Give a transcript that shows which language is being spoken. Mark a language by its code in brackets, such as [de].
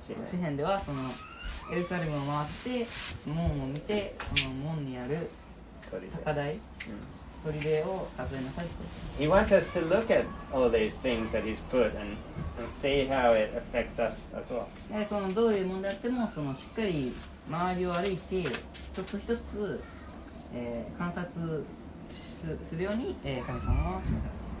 [ja] 詩編ではそのエルサレムを回って門を見てその門にある高台砦を数えなさいと。 [en] He wants us to look at all these things that he's put and see how it affects us as well. [ja] そのどういうものであってもそのしっかり周りを歩いて一つ一つ、観察するように、神様は示された。